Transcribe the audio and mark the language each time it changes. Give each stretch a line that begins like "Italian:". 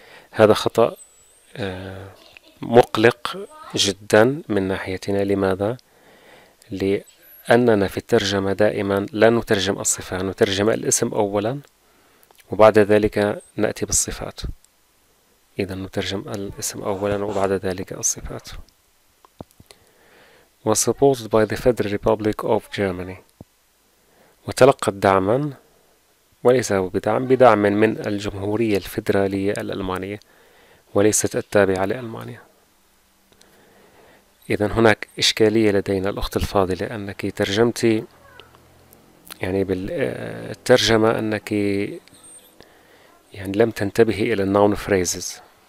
Arabic: هذا خطأ مقلق جدا من ناحيتنا. لماذا؟ لأننا في الترجمة دائما لا نترجم الصفة، نترجم الاسم أولا وبعد ذلك نأتي بالصفات. إذا نترجم الاسم أولا وبعد ذلك الصفات.
English: Was supported by the Federal Republic of Germany.
Arabic: وتلقت دعما، وليس بدعم، بدعم من الجمهورية الفيدرالية الألمانية، وليست التابعة لألمانيا. إذا هناك إشكالية لدينا، الأخت الفاضلة، أنك ترجمت يعني بالترجمة، أنك يعني لم تنتبهي إلى النون فريزز.